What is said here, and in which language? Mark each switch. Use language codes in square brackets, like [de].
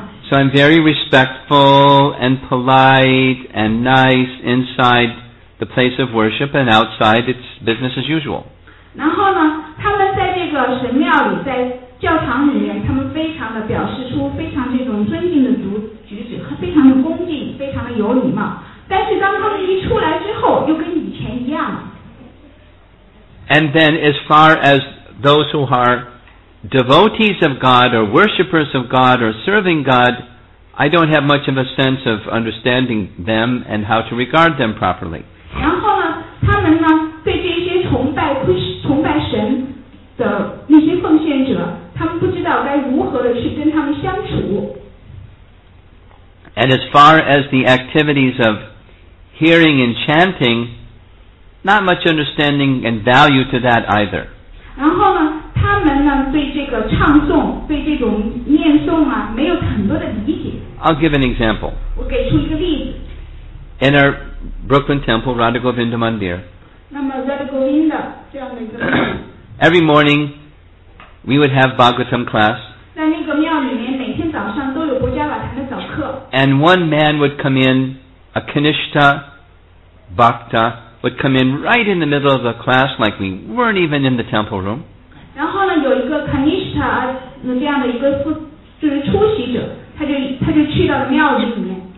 [en] So I'm very respectful and polite and nice inside the place of worship, and outside it's business as usual. [zh] 然后呢，他们在这个神庙里，在教堂里面，他们非常的表示出非常这种尊敬的举止和非常的恭敬，非常的有礼貌。但是当他们一出来之后，又跟以前一样。 [en] And then, as far as those who are. Devotees of God or worshippers of God or serving God, I don't have much of a sense of understanding them and how to regard them properly. [zh] 然后呢，他们呢，对这些崇拜神的那些奉献者，他们不知道该如何的去跟他们相处。 [en] And as far as the activities of hearing and chanting, not much understanding and value to that either. [zh] 然后呢，他们呢对这个唱诵，对这种念诵啊，没有很多的理解。 [en] I'll give an example. [zh] 我给出一个例子。 [en] In our Brooklyn Temple, Radha Govinda Mandir. [zh] 那么 Radha Govinda 这样的一个。 [en] Every morning, we would have Bhagavatam class. [zh] 在那个庙里面，每天早上都有国家瓦坛的早课。 [en] And one man would come in, a Kanishta Bhakta. Would come in right in the middle of the class like we weren't even in the temple room. [zh] 然后呢，有一个 Kanishta 这样的一个就是初习者，他就去到庙里面。